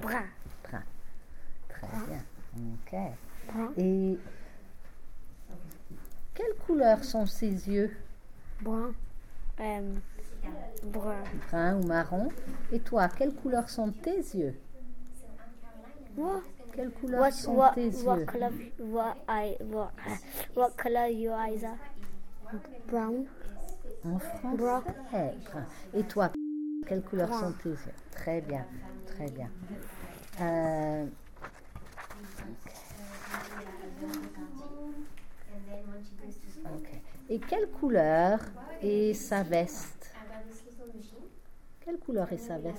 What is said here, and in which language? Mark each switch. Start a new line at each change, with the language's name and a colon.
French: Brun. Brun. Très brun. Bien. Ok. Brun. Et quelle couleur sont ses yeux? Brun. Brun. Brun ou marron. Et toi, quelle couleur sont tes yeux?
English: What?
French: Quelle couleur
English: what,
French: sont
English: what,
French: tes
English: what
French: yeux?
English: Color, what, I, what color your eyes are? Brown.
French: En français. Brun. Brun. Et toi, quelle couleur brun. Sont tes yeux? Très bien. Très bien. Okay. Et quelle couleur est sa veste? Quelle couleur est sa veste?